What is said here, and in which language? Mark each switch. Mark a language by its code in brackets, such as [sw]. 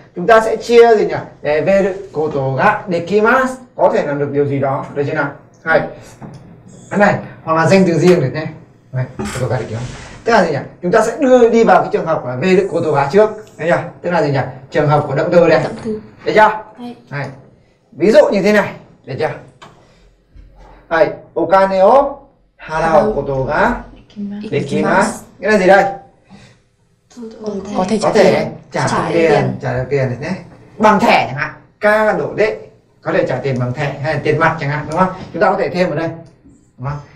[vi] Chúng ta sẽ chia gì nhỉ? Để về được koto ga dekimasu, có thể làm được điều gì đó, được chưa nào? Hay. Cái này, hoặc là danh từ riêng được nhé. Này, koto ga dekimasu. Tức là gì nhỉ? Chúng ta sẽ đưa đi vào cái trường hợp là về được koto ga trước. Đấy chưa? Tức là gì nhỉ? Trường hợp của động từ này. Được chưa? Đấy. Ví dụ như thế này, được chưa? [ja] Hai, お金を払うことができます。できます。Cái [vi] này gì đây? Có thể trả tiền, trả tiền được nhé. Bằng thẻ chẳng hạn, ca đổ đấy, có thể trả tiền bằng thẻ hay là tiền mặt chẳng hạn, đúng không? Chúng ta có thể thêm ở đây, đúng không?